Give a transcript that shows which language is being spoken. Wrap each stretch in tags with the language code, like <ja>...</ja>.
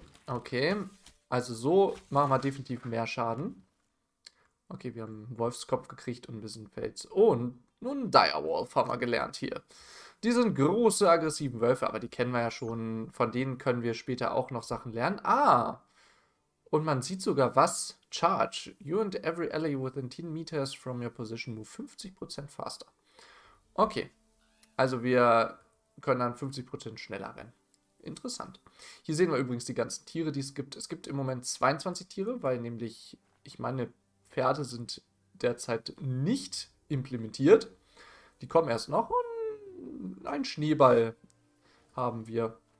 <de>Okay, also so machen wir definitiv mehr Schaden. Okay, wir haben einen Wolfskopf gekriegt und ein bisschen Fels. Oh, und nun Direwolf haben wir gelernt hier. Die sind große, aggressiven Wölfe, aber die kennen wir ja schon. Von denen können wir später auch noch Sachen lernen. Ah, und man sieht sogar was.</de> <en>Charge. You and every ally within 10 meters from your position move 50% faster.</en> <de>Okay, also wir können dann 50% schneller rennen. Interessant. Hier sehen wir übrigens die ganzen Tiere, die es gibt. Es gibt im Moment 22 Tiere, weil nämlich, ich meine, Pferde sind derzeit nicht implementiert. Die kommen erst noch und ein Schneeball haben wir.</de>